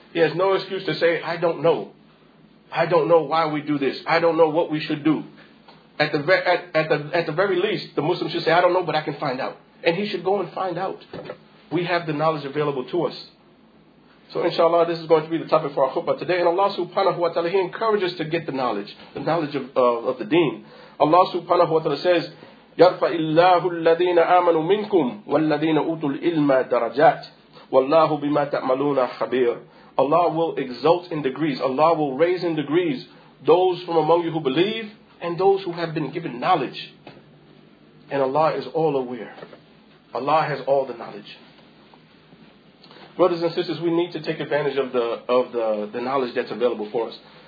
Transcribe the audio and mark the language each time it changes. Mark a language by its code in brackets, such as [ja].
[en] He has no excuse to say, I don't know. I don't know why we do this. I don't know what we should do. At the very least, the Muslim should say, I don't know, but I can find out. And he should go and find out. We have the knowledge available to us. So inshallah, this is going to be the topic for our khutbah today. And Allah subhanahu wa ta'ala, He encourages us to get the knowledge of the deen. Allah subhanahu wa ta'ala says, [ar] يَرْفَعِ اللَّهُ الَّذِينَ آمَنُوا مِنْكُمْ وَالَّذِينَ أُوتُوا الْإِلْمَ دَرَجَاتٍ وَاللَّهُ بِمَا تَأْمَلُونَ خَبِيرٌ. [en] Allah will exalt in degrees, Allah will raise in degrees those from among you who believe and those who have been given knowledge. And Allah is all aware. Allah has all the knowledge. Brothers and sisters, we need to take advantage of the knowledge that's available for us.